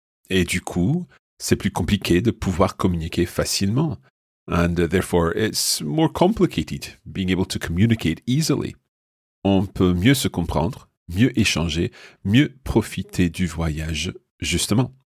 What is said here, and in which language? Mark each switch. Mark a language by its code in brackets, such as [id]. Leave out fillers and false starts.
[fr] Et du coup, c'est plus compliqué de pouvoir communiquer facilement. [en] And therefore, it's more complicated being able to communicate easily. [fr] On peut mieux se comprendre, mieux échanger, mieux profiter du voyage, justement.